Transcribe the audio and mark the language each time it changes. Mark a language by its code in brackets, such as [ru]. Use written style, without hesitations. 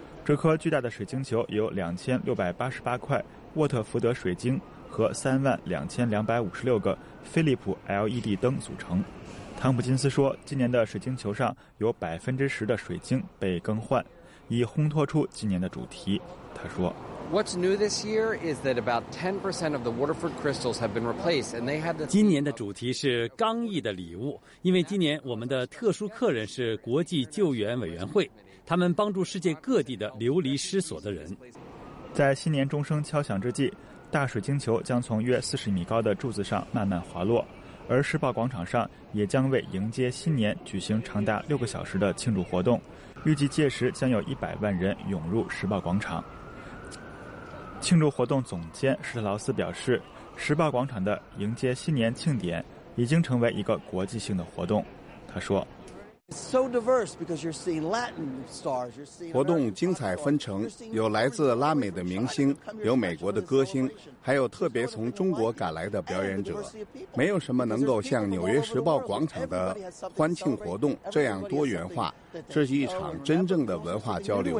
[zh] 这颗巨大的水晶球由2688块沃特福德水晶和32256个飞利浦 LED 灯组成。汤普金斯说，今年的水晶球上有10%的水晶被更换，以烘托出今年的主题。他说 [en] ：“What's new this year is that about 10% of the Waterford crystals have been replaced, and they had the [zh] 今年的主题是刚毅的礼物，因为今年我们的特殊客人是国际救援委员会。” 他们帮助世界各地的流离失所的人。在新年钟声敲响之际，大水晶球将从约40米高的柱子上慢慢滑落，而时报广场上也将为迎接新年举行长达6个小时的庆祝活动，预计届时将有100万人涌入时报广场。庆祝活动总监施特劳斯表示，时报广场的迎接新年庆典已经成为一个国际性的活动。他说 [en] It's so diverse because you're seeing Latin stars. [zh] 活动精彩纷呈，有来自拉美的明星，有美国的歌星，还有特别从中国赶来的表演者。没有什么能够像纽约时报广场的欢庆活动这样多元化。这是一场真正的文化交流。